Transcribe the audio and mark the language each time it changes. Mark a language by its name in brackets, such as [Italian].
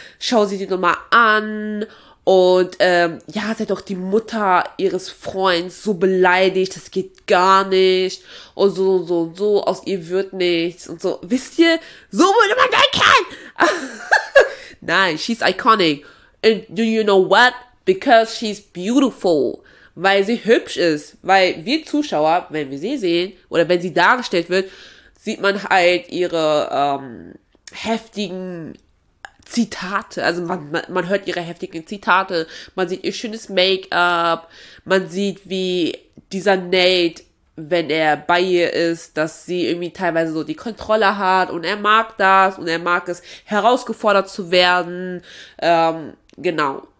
[German] Schau sie dir doch mal an. Und ja, sie hat doch die Mutter ihres Freunds so beleidigt, das geht gar nicht. Und so und so und so, aus ihr wird nichts und so. Wisst ihr, so würde man denken! [English] Nein, she's iconic. And do you know what? Because she's beautiful. [German] Weil sie hübsch ist. Weil wir Zuschauer, wenn wir sie sehen oder wenn sie dargestellt wird, sieht man halt ihre heftigen Zitate. Also man hört ihre heftigen Zitate. Man sieht ihr schönes Make-up. Man sieht, wie dieser Nate, wenn er bei ihr ist, dass sie irgendwie teilweise so die Kontrolle hat und er mag das und er mag es, herausgefordert zu werden. Genau.